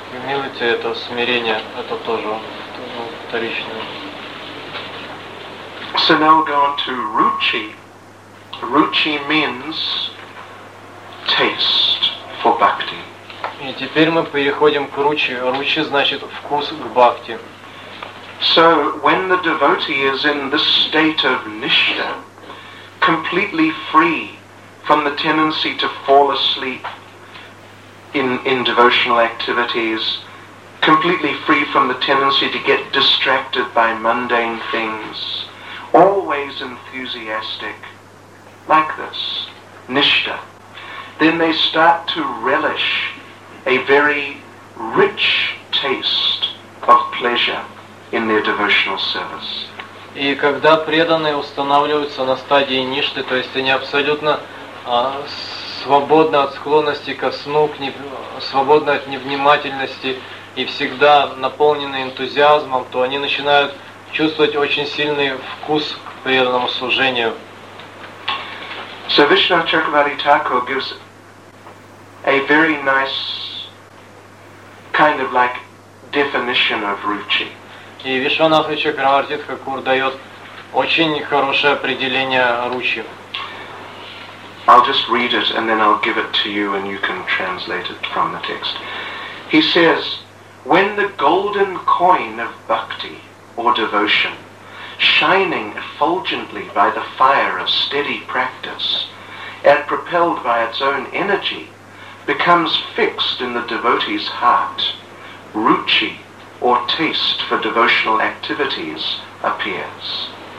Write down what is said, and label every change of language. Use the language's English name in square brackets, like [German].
[Russian] Humility — это смирение, это тоже вторичное. [English] So now we'll go on to ruchi. Ruchi means taste for bhakti. [Russian] И теперь мы переходим к ручи. Ручи значит вкус к бхакти. [English] So when the devotee is in this state of nishtha, completely free from the tendency to fall asleep in devotional activities, completely free from the tendency to get distracted by mundane things, always enthusiastic, like this, nishtha, then they start to relish a very rich taste of pleasure in their devotional service. [Russian] И когда преданные устанавливаются на стадии ништы, то есть они абсолютно свободны от склонности ко сну, свободны от невнимательности и всегда наполнены энтузиазмом, то они начинают чувствовать очень сильный вкус к преданному служению. [English] So Vishnu Chakravarti Thakur gives a very nice kind of like definition of ruchi. [Russian] И Вишванатха Чакраварти Тхакур дает очень хорошее определение ручи. [English] I'll just read it and then I'll give it to you and you can translate it from the text. He says, when the golden coin of bhakti or devotion, shining effulgently by the fire of steady practice and propelled by its own energy, becomes fixed in the devotee's heart, ruchi or taste for devotional activities appears.